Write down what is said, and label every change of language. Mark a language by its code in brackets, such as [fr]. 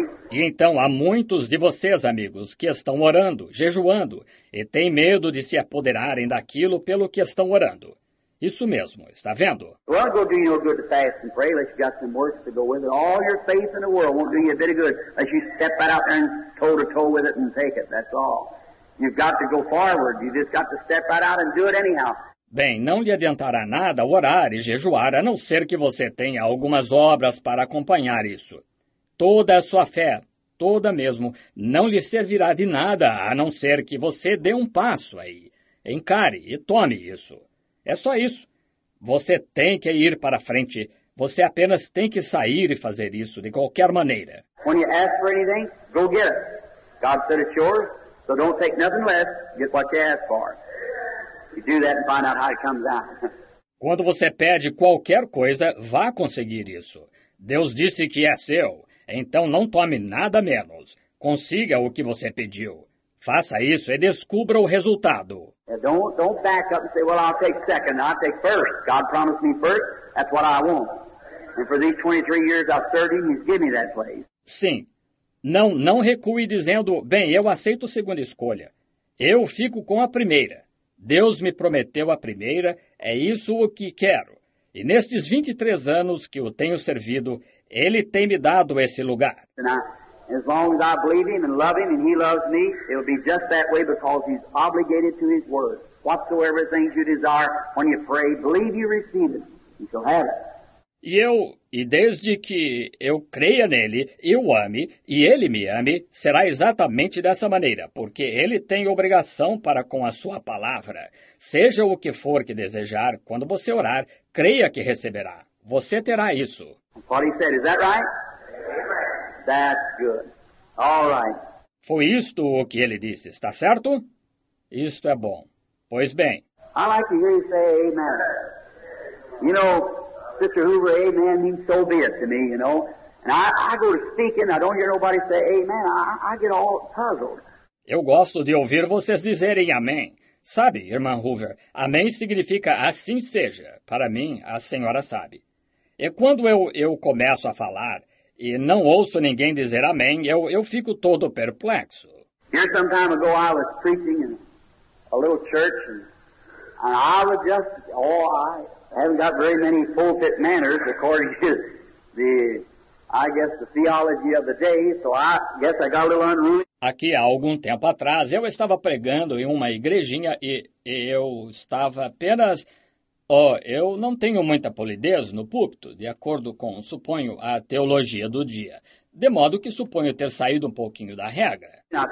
[pt] E então, há muitos de vocês, amigos, que estão orando, jejuando, e têm medo de se apoderarem daquilo pelo que estão orando. Isso mesmo, está vendo? [en] Well, go do you no good to fast and pray, unless you got some works to go with it. All your faith in the world won't do you a bit of good unless you step right out there and toe-to-toe with it and take it, that's all. You've got to go forward, you just got to step right out and do it anyhow. [pt] Bem, não lhe adiantará nada orar e jejuar, a não ser que você tenha algumas obras para acompanhar isso. Toda a sua fé, toda mesmo, não lhe servirá de nada, a não ser que você dê um passo aí. Encare e tome isso. É só isso. Você tem que ir para frente. Você apenas tem que sair e fazer isso de qualquer maneira. [en] When you ask for anything, go get it. God said it's yours, so don't take nothing less. Get what you ask for. You do that and find out how it comes out. [pt] Quando você pede qualquer coisa, vá conseguir isso. Deus disse que é seu. Então não tome nada menos. Consiga o que você pediu. Faça isso e descubra o resultado. [en] Don't back up and say, well, I'll take second, I'll take first. God promised me first, that's what I want. And for these 23 years I've served him, he's given me that place. [pt] Sim. Não recue dizendo, bem, eu aceito a segunda escolha. Eu fico com a primeira. Deus me prometeu a primeira, é isso o que quero. E nestes 23 anos que eu tenho servido, ele tem me dado esse lugar. [en] As long as I believe him and love him and he loves me, it'll be just that way because he's obligated to his word. Whatsoever things you desire, when you pray, believe you receive it. You shall have it. [pt] E desde que eu creia nele, eu ame, e ele me ame, será exatamente dessa maneira, porque ele tem obrigação para com a sua palavra. Seja o que for que desejar, quando você orar, creia que receberá. Você terá isso. [en] What he said, is that right? That's good. All right. [pt] Foi isto o que ele disse, está certo? Isto é bom. Pois bem. [en] I like to hear you say amen. You know, Sister Hoover, amen means so be it to me, you know. And I go to speaking, I don't hear nobody say amen. I get all puzzled. [pt] Eu gosto de ouvir vocês dizerem amém. Sabe, irmã Hoover, amém significa assim seja. Para mim, a senhora sabe. E quando eu começo a falar e não ouço ninguém dizer amém, eu fico todo perplexo. [en] Here some time ago I was preaching in a little church and I was just, I haven't got very many pulpit manners according to the theology of the day, so I guess I got a little unruly. [pt] Aqui, há algum tempo atrás, eu estava pregando em uma igrejinha e eu estava apenas... eu não tenho muita polidez no púlpito, de acordo com, suponho, a teologia do dia. De modo que suponho ter saído um pouquinho da regra.